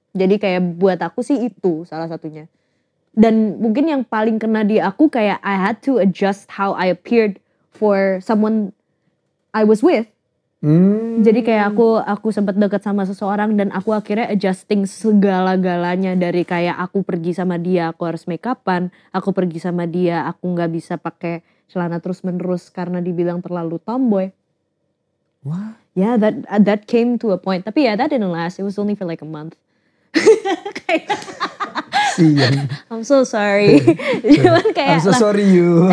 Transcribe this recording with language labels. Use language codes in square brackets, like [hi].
[id] Jadi kayak buat aku sih itu salah satunya, dan mungkin yang paling kena di aku kayak [en] I had to adjust how I appeared for someone I was with. [id] Jadi kayak aku sempat dekat sama seseorang dan aku akhirnya adjusting segala-galanya, dari kayak aku pergi sama dia aku harus make up-an, aku pergi sama dia aku nggak bisa pakai celana terus-menerus karena dibilang terlalu tomboy. [en] What? Yeah, that came to a point. Tapi yeah, that didn't last. It was only for like a month. I'm so sorry. Cuman kayak, I'm so sorry you.